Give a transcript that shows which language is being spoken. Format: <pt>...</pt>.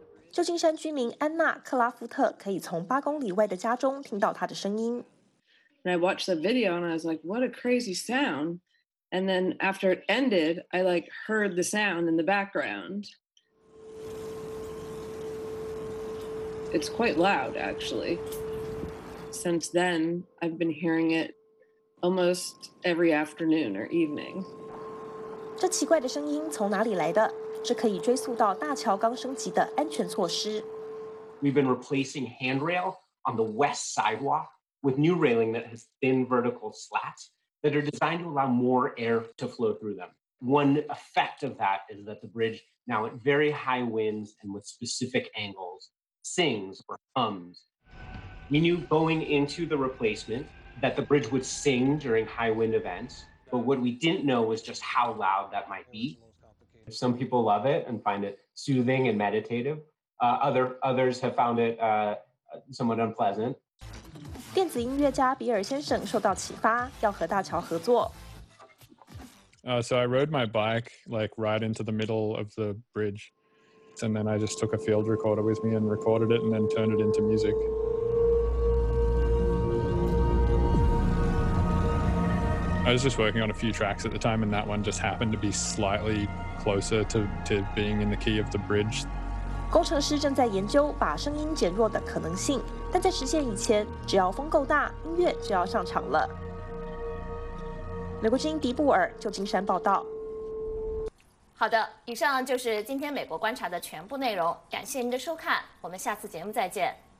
<zh>旧金山居民安娜·克拉夫特可以从8公里外的家中听到她的声音。</zh> <en>And I watched the video and I was like, "What a crazy sound!" And then after it ended, I like heard the sound in the background. It's quite loud, actually. Since then, I've been hearing it almost every afternoon or evening.</en> <zh>这奇怪的声音从哪里来的？这可以追溯到大桥刚升级的安全措施。</zh> <en>We've been replacing handrail on the west sidewalk with new railing that has thin vertical slats that are designed to allow more air to flow through them. One effect of that is that the bridge now at very high winds and with specific angles. Sings or hums. We knew going into the replacement that the bridge would sing during high wind events, but what we didn't know was just how loud that might be. Some people love it and find it soothing and meditative. Others have found it somewhat unpleasant.</en> <zh>电子音乐家比尔先生受到启发，要和大桥合作。</zh> <en>So I rode my bike like right into the middle of the bridge. And then I just took a field recorder with me and recorded it and then turned it into music. I was just working on a few tracks at the time, and that one just happened to be slightly closer to being in the key of the bridge.</en> <zh>工程师正在研究把声音减弱的可能性，但在实现以前，只要风够大，音乐就要上场了。美国之音迪布尔，旧金山报道。好的，以上就是今天美国观察的全部内容，感谢您的收看，我们下次节目再见。</zh>